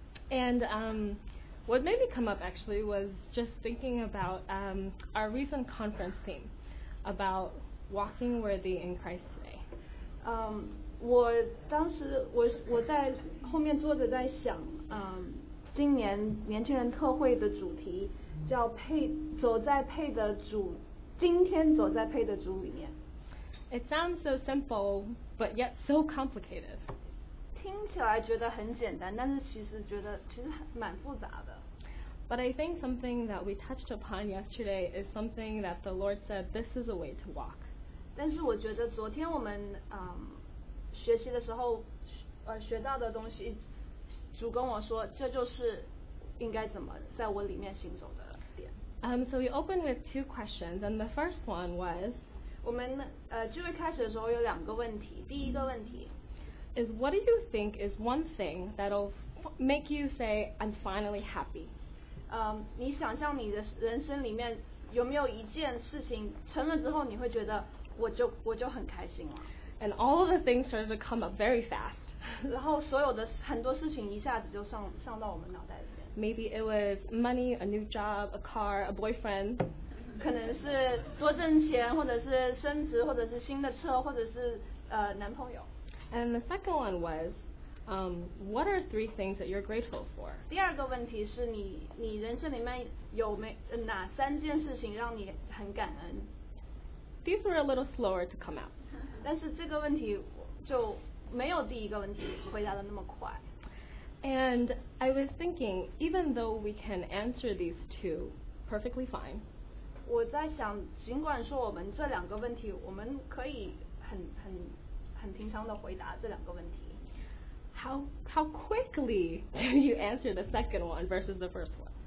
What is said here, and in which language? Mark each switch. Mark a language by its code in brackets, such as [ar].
[en] And what made me come up actually was just thinking about our recent conference theme about walking worthy in Christ today. [zh] 我当时我在后面坐着在想，今年年轻人特会的主题叫今天走在配的主里面。 [en] It sounds so simple, but yet so complicated. [zh] 听起来觉得很简单，但是其实蛮复杂的。 [en] But I think something that we touched upon yesterday is something that the Lord said, this is a way to walk. [zh] 但是我觉得昨天我们学习的时候学到的东西，主跟我说这就是应该怎么在我里面行走的点。 [en] So we opened with two questions, and the first one was, [zh] 我们聚会开始的时候有两个问题。第一个问题 [en] is, what do you think is one thing that'll make you say, I'm finally happy? [zh] 你想象你的人生里面有没有一件事情成了之后你会觉得我就很开心了。 [en] And all of the things started to come up very fast. [zh] 然后所有的很多事情一下子就上到我们脑袋里面。 [en] Maybe it was money, a new job, a car, a boyfriend. [zh] 可能是多挣钱，或者是升职，或者是新的车，或者是男朋友。 [en] And the second one was,what are three things that you're grateful for? [zh] 第二个问题是你人生里面有哪三件事情让你很感恩？ [en] These were a little slower to come out. [zh] 但是这个问题就没有第一个问题回答的那么快。 [en] And I was thinking, even though we can answer these two perfectly fine, [zh] 我在想，尽管说我们这两个问题，我们可以很平常的回答这两个问题。 [en] How quickly do you answer the second one versus the first one?